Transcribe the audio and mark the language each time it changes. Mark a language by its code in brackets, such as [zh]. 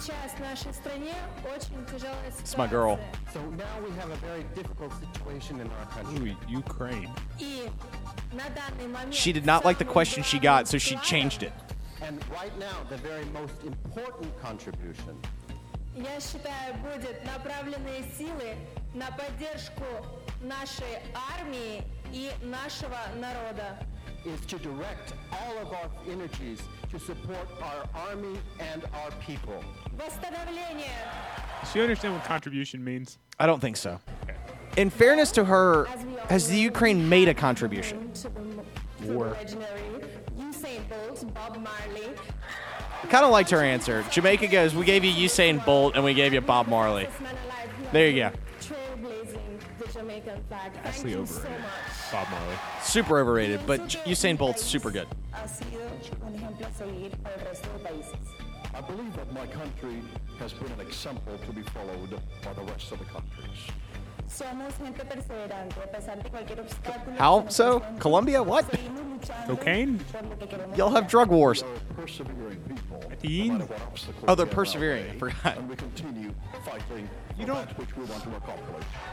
[en] It's my girl. So now we have a very difficult situation in our country. Ooh, Ukraine. She did not like the question she got, so she changed it. And right now, the very most important contribution. [ru] Я считаю, будет направленные силы на поддержку нашей армии и нашего народа. [en] Is to direct all of our energies to support our army and our people. [ru] Восстановление. [en] Does she understand what contribution means? I don't think so. Okay. In fairness to her, has the Ukraine made a contribution? War. Legendary Usain Bolt Bolt, Bob Marley. I kind of liked her answer. Jamaica goes, we gave you Usain Bolt and we gave you Bob Marley. There you go. Trailblazing the Jamaican flag. Actually overrated. So much. Bob Marley. Super overrated, but Usain Bolt's super good. I'll see you on Hempel Solid for the rest of the bases. I believe that my country has been an example to be followed by the rest of the countries. [es] Somos gente perseverante, a pesar de cualquier obstáculo. [en] How so? Colombia? What? Cocaine? Y'all have drug wars. Persevering people. At the end? Oh, they're persevering. I forgot. And we continue fighting you don't... that which we want to accomplish.